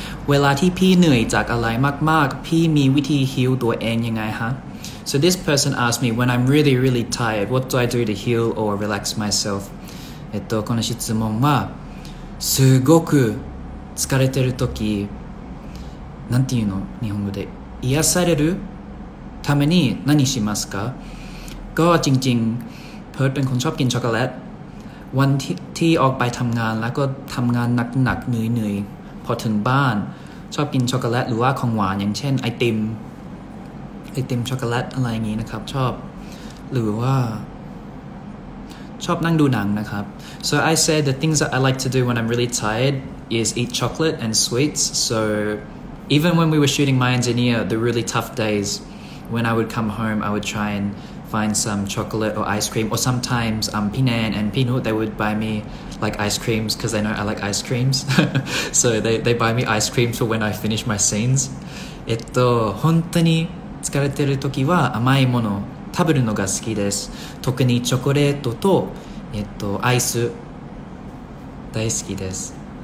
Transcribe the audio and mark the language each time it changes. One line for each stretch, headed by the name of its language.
Thai: เวลาที่พี่เหนื่อยจากอะไรมากๆพี่มีวิธีฮีลตัวเองยังไงฮะ
English: So this person asked me, when I'm really, really tired, what do I do to heal or relax myself?
Japanese: この質問は、すごく疲れてるとき、なんていうの日本語で、癒されるために何しますか?
Thai: ก็จริงๆเพิร์ทเป็นคนชอบกินช็อกโกแลตวันที่ออกไปทำงานแล้วก็ทำงานหนักๆเหนื่อยๆพอถึงบ้านชอบกินช็อกโกแลตหรือว่าของหวานอย่างเช่นไอติมช็อกโกแลตอะไรอย่างงี้นะครับชอบหรือว่าชอบนั่งดูหนังนะครับ
English: So I say the things that I like to do when I'm really tired is eat chocolate and sweets so even when we were shooting My Engineer the really tough days when I would come home I would try andfind some chocolate or ice cream or sometimes Pinan and Pinu they would buy me like ice creams because they know I like ice creams so they buy me ice cream for when I finish my scenes
Japanese: 本当に疲れてる時は甘いもの食べるのが好きです特にチョコレートとアイス大好きです